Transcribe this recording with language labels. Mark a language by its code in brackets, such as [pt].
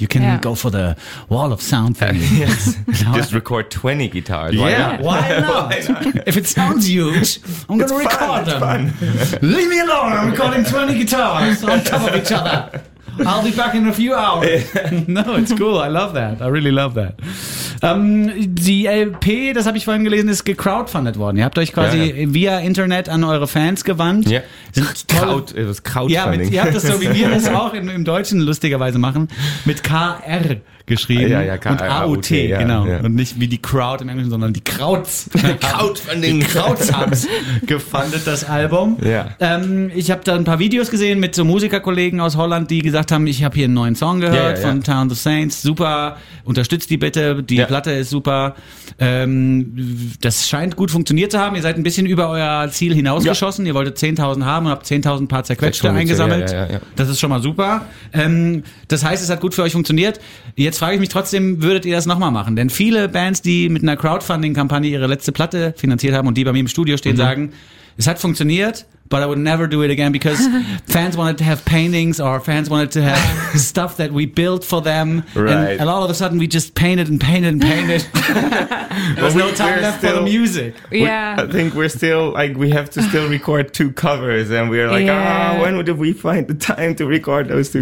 [en] You can go for the wall of sound thing. Yes. Just record 20 guitars. Yeah. Why not? If it sounds huge, I'm going to record them. Leave me alone. I'm recording 20 guitars on top of each other. I'll be back in a few hours. No, it's cool. I love that. I really love that. [de] Die LP, das habe ich vorhin gelesen, ist gecrowdfunded worden. Ihr habt euch quasi via Internet an eure Fans gewandt. Ja. Crowdfunding. Ja, ihr habt das so, wie wir das auch im Deutschen lustigerweise machen, mit KR geschrieben. Ja, ja, und AOT, genau. Ja. Und nicht wie die Crowd im Englischen, sondern die Krauts. Crowdfunding. Die Krauts haben gefundet, das Album. Ja. Ich habe da ein paar Videos gesehen mit so Musikerkollegen aus Holland, die gesagt haben, ich habe hier einen neuen Song gehört von Town of Saints. Super, unterstützt die bitte. Die Platte ist super. Das scheint gut funktioniert zu haben. Ihr seid ein bisschen über euer Ziel hinausgeschossen. Ja. Ihr wolltet 10.000 haben und habt 10.000 paar Zerquetschte eingesammelt. Ja. Das ist schon mal super. Das heißt, es hat gut für euch funktioniert. Jetzt frage ich mich trotzdem, würdet ihr das nochmal machen? Denn viele Bands, die mit einer Crowdfunding-Kampagne ihre letzte Platte finanziert haben und die bei mir im Studio stehen, sagen, es hat funktioniert, [en] But I would never do it again because fans wanted to have paintings or fans wanted to have stuff that we built for them. Right. And all of a sudden we just painted and painted and painted. There was no time left for the music. Yeah. I think we're still, like, we have to still record two covers and we're like, when did we find the time to record those two